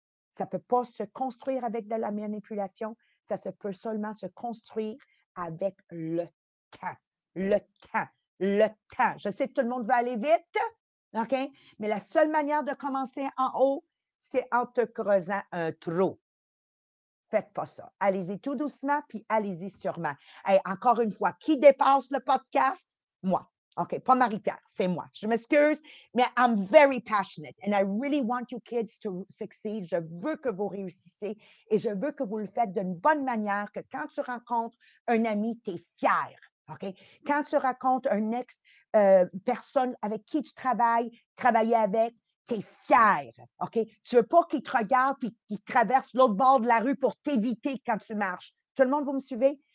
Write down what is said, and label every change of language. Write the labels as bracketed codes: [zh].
[fr] Ça ne peut pas se construire avec de la manipulation. Ça se peut seulement se construire avec le temps. Le temps. Je sais que tout le monde veut aller vite, OK? Mais la seule manière de commencer en haut, c'est en te creusant un trou. Faites pas ça. Allez-y tout doucement, puis allez-y sûrement. Hey, encore une fois, qui dépasse le podcast? Moi. OK, pas Marie-Pierre, c'est moi. Je m'excuse, mais [en] I'm very passionate and I really want you kids to succeed. [fr] Je veux que vous réussissiez et je veux que vous le faites d'une bonne manière, que quand tu rencontres un ami, tu es fier. OK? Quand tu racontes un ex personne avec qui tu travailles avec, tu es fière. OK? Tu veux pas qu'il te regarde puis qu'il traverse l'autre bord de la rue pour t'éviter quand tu marches. Tout le monde, vous me suivez?